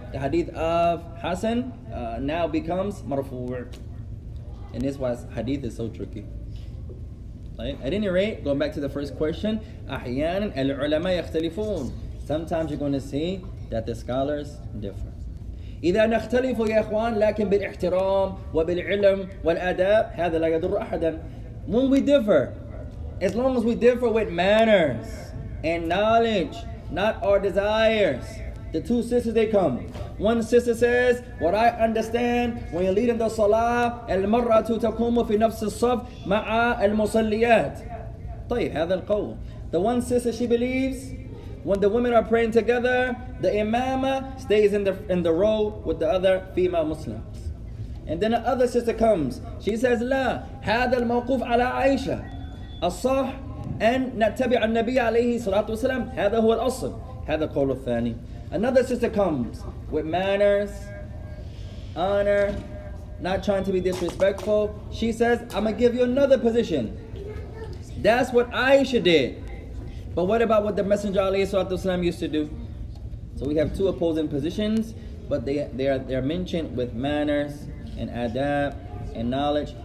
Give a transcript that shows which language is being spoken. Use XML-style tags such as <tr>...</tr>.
<en>The hadith of Hassan now becomes marfu'. And this is why hadith is so tricky. Right? At any rate, going back to the first question,</en> <ar>أحيانًا العلماء يختلفون.</ar> <en>Sometimes you're going to see that the scholars differ.</en> <ar>إذا نختلف يا إخوان لكن بالإحترام وبالعلم والأداب هذا لا يضر أحدًا.</ar> <en>When we differ, as long as we differ with manners and knowledge, not our desires. The two sisters, they come. One sister says, what I understand, when you're leading the salah,</en> <ar>al-mar'atu takumu fi nafs al-saf ma'a al-musalliyat. طيب, هذا القول.</ar> <en>The one sister, she believes, when the women are praying together, the imama stays in the row with the other female Muslims. And then the other sister comes. She says, la,</en> <ar>هذا الموقوف على عائشة. الصح أن نتبع النبي عليه الصلاة والسلام هذا هو الأصل هذا قول الثاني.</ar> <en>Another sister comes with manners, honor, not trying to be disrespectful. She says, I'm going to give you another position. That's what Aisha did. But what about what the Messenger عليه الصلاة والسلام used to do? So we have two opposing positions, but they are mentioned with manners and adab and knowledge.</en>